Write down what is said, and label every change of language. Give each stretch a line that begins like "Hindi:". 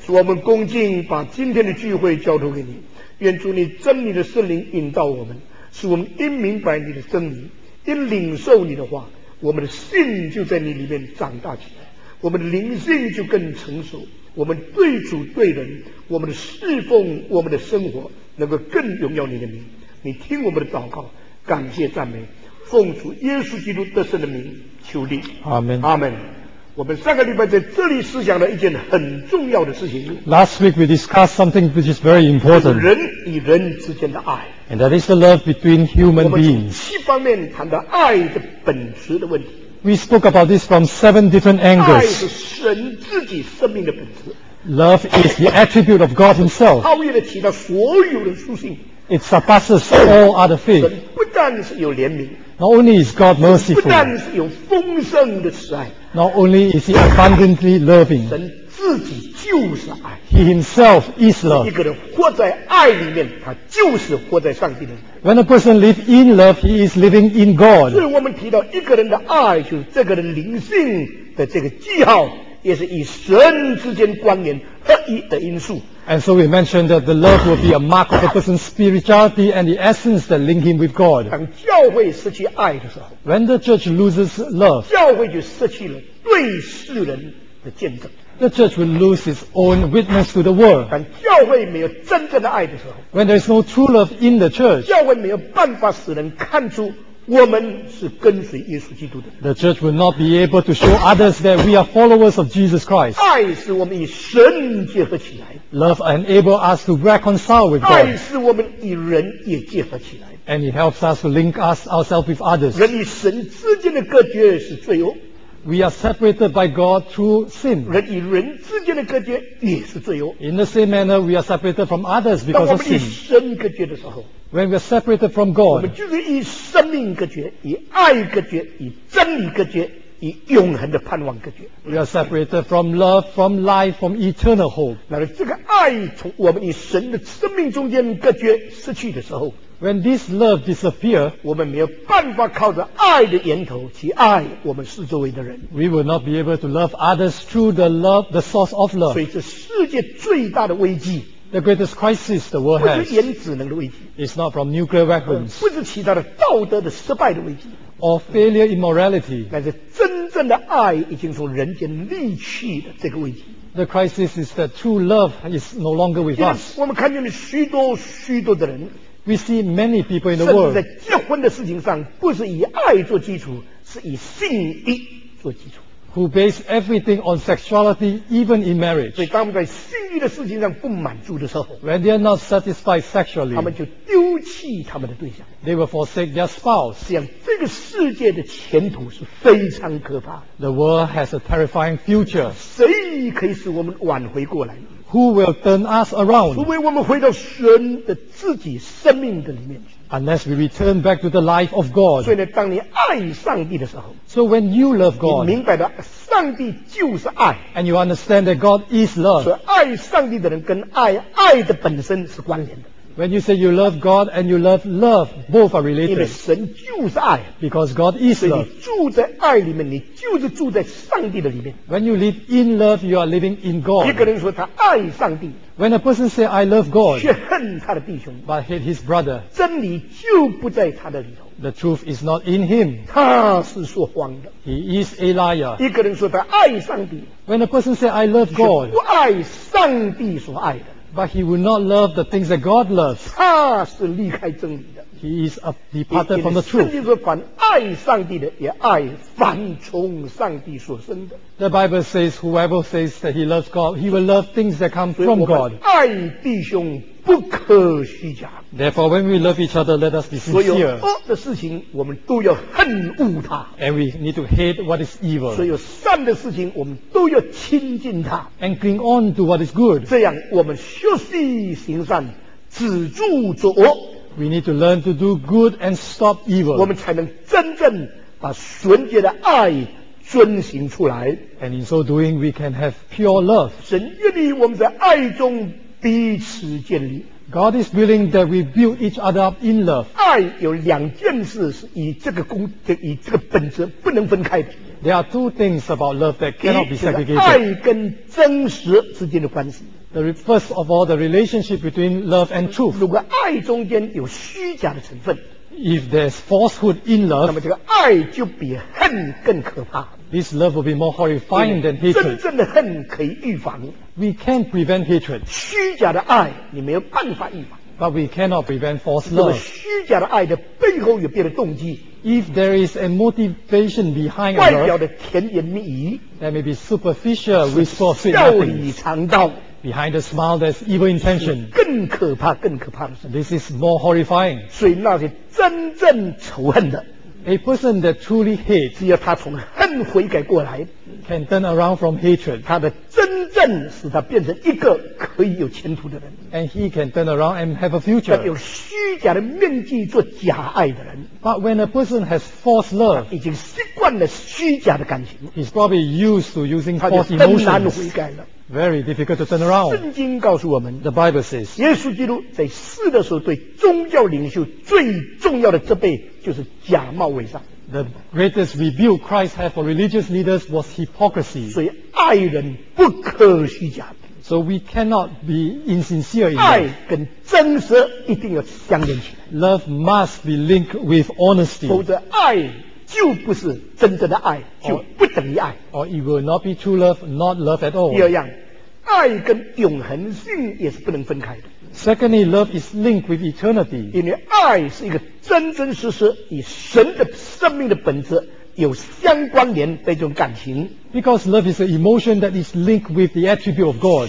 Chinese: 主，我们恭敬把今天的聚会交托给你，愿主你真理的圣灵引导我们，使我们因明白你的真理，因领受你的话，我们的信就在你里面长大起来，我们的灵性就更成熟，我们对主对人，我们的侍奉，我们的生活能够更荣耀你的名。你听我们的祷告，感谢赞美，奉主耶稣基督得胜的名求你。阿们阿们。我们上个礼拜在这里思想了一件很重要的事情。
English: Last week we discussed something which is very important.
Chinese: 人与人之间的爱。
English: And that is the love between human beings.
Chinese: 我们从七方面谈到爱的本质的问题。
English: We spoke about this from seven different angles.
Chinese: 爱是神自己生命的本质。
English: Love is the attribute of God Himself.
Chinese: 超越了其他所有的属性。
English: It surpasses all other things.
Chinese: 神不但是有怜悯。
English: Not only is God merciful.
Chinese: 神不但是有丰盛的慈爱。
English: Not only is He abundantly loving.
Chinese: 神自己就是爱。
English: He Himself is love.
Chinese: 一个人活在爱里面，他就是活在上帝里面。
English: When a person lives in love, he is living in God.
Chinese: 所以我们提到一个人的爱，就是这个人灵性的这个记号。也是与神之间关联合一的因素。
English: And so we mentioned that the love will be a mark of a person's spirituality and the essence that link him with God.
Chinese: 当教会失去爱的时候
English: ，When the church loses love，
Chinese: 教会就失去了对世人的见证。
English: The church will lose its own witness to the world.
Chinese: 当教会没有真正的爱的时候
English: ，When there is no true love in the church，
Chinese: 教会没有办法使人看出。我们是跟随耶稣基督的。
English: The church will not be able to show others that we are followers of Jesus Christ.
Chinese: 爱使我们与神结合起来。
English: Love enables us to reconcile with God.
Chinese: 爱使我们与人也结合起来。
English: And it helps us to link us ourselves with others.
Chinese: 人与神之间的隔绝是罪恶。
English: We are separated by God through sin.
Chinese: 人与人之间的隔绝也是罪恶。
English: In the same manner, we are separated from others because of sin.
Chinese: 当我们与神隔绝的时候。
English: When we are separated from God,
Chinese: 我们就是以生命隔绝，以爱隔绝，以真理隔绝，以永恒的盼望隔绝。
English: We are separated from love, from life, from eternal hope.
Chinese: 那么这个爱从我们与神的生命中间隔绝失去的时候
English: ，When this love disappears,
Chinese: 我们没有办法靠着爱的源头去爱我们四周围的人。
English: We will not be able to love others through the love, the source of love.
Chinese: 所以这世界最大的危机。
English: The greatest crisis the world has
Chinese: 不是原子能的危机
English: It's not from nuclear weapons
Chinese: 不是其他的道德的失败的危机
English: Or failure in morality
Chinese: 但是真正的爱已经从人间离去的这个危机
English: The crisis is that true love is no longer with us
Chinese: 我们看见了许多许多的人
English: We see many people in the world
Chinese: 甚至在结婚的事情上不是以爱做基础是以性欲做基础
English: Who base everything on sexuality, even in marriage.
Chinese: 所以当我们在性欲的事情上不满足的时候
English: ，When they are not satisfied sexually,
Chinese: 他们就丢弃他们的对象。
English: They will forsake their spouse.
Chinese: 这样，这个世界的前途是非常可怕的。
English: The world has a terrifying future.
Chinese: 谁可以使我们挽回过来
English: ？Who will turn us around?
Chinese: 除非我们回到神的自己生命的里面去。
English: Unless we return back to the life of God.
Chinese: 所以呢，当你爱上帝的时候
English: ，So when you love God,
Chinese: 你明白了，上帝就是爱
English: ，And you understand that God is love.
Chinese: 所以爱上帝的人跟爱爱的本身是关联的。
English: When you say you love God and you love love, both are related.
Chinese: 因为神就是爱。
English: Because God is love.
Chinese: 所以你住在爱里面，你就是住在上帝的里面。
English: When you live in love, you are living in God.
Chinese: 一个人说他爱上帝。
English: When a person say I love God,
Chinese: 却恨他的弟兄。
English: But hate his brother.
Chinese: 真理就不在他的里头。
English: The truth is not in him.
Chinese: 他是说谎的。
English: He is a liar.
Chinese: 一个人说他爱上帝。
English: When a person say I love God,
Chinese: 却不爱上帝所爱的。
English: But he will not love the things that God loves.
Chinese: 他是离开真理的。
English: He is a departed from the truth.
Chinese: 圣经说凡爱上帝的，也爱凡从上帝所生的。
English: The Bible says, whoever says that he loves God, he will love things that come from God.
Chinese: 所以我们爱弟兄不可虚假。
English: Therefore, when we love each other, let us be sincere.
Chinese: 所有恶的事情，我们都要恨恶它。
English: And we need to hate what is evil.
Chinese: 所有善的事情，我们都要亲近它。
English: And cling on to what is good.
Chinese: 这样，我们学习行善，止住作恶。
English: We need to learn to do good and stop evil.
Chinese: 我们才能真正把纯洁的爱遵行出来。
English: And in so doing, we can have pure love.
Chinese: 神愿意我们在爱中彼此建立。
English: God is willing that we build each other up in love.
Chinese: 爱有两件事是以这个本质不能分开的。
English: There are two things about love that cannot be segregated.
Chinese: 爱跟真实之间的关系。
English: The first of all, the relationship between love and truth.
Chinese: 如果爱中间有虚假的成分。
English: If there's falsehood in love,
Chinese: 那么这个爱就比恨更可怕。
English: This love will be more horrifying than hatred.
Chinese: 真正的恨可以预防。
English: We can prevent hatred.
Chinese: 虚假的爱你没有办法预防。
English: But we cannot prevent false love.
Chinese: 那么虚假的爱的背后有别的动机。
English: If there is a motivation behind love,
Chinese: 外表的甜言蜜语。
English: There may be superficial wistful sweet nothings.
Chinese: 笑里藏刀。
English: Behind the smile, there's evil intention.
Chinese: 更可怕，更可怕的是。
English: This is more horrifying.
Chinese: 所以那些真正仇恨的。
English: A person that truly hates,
Chinese: 只要他从恨悔改过来，
English: can turn around from hatred.
Chinese: 他的真正使他变成一个可以有前途的人。
English: And he can turn around and have a future.
Chinese: 但有虚假的面具做假爱的人。
English: But when a person has false love,
Chinese: 他已经习惯了虚假的感情。
English: He's probably used to using false emotions.
Chinese: 他就更难悔改了。
English: Very difficult to turn around.
Chinese: 圣经告诉我们，
English: The Bible says,
Chinese: 耶稣基督在世的时候对宗教领袖最重要的责备就是假冒伪善。
English: The greatest rebuke Christ had for religious leaders was hypocrisy.
Chinese: 所以爱人不可虚假。
English: So we cannot be insincere in that.
Chinese: 爱跟真实一定要相连起来。
English: Love must be linked with honesty.
Chinese: 否则爱就不是真正的爱，就不等于爱。
English: Or it will not be true love, not love at all.
Chinese: 第二样，爱跟永恒性也是不能分开的。
English: Secondly, love is linked with eternity.
Chinese: 因为爱是一个真真实实与神的生命的本质有相关联的一种感情。
English: Because love is an emotion that is linked with the attribute of God.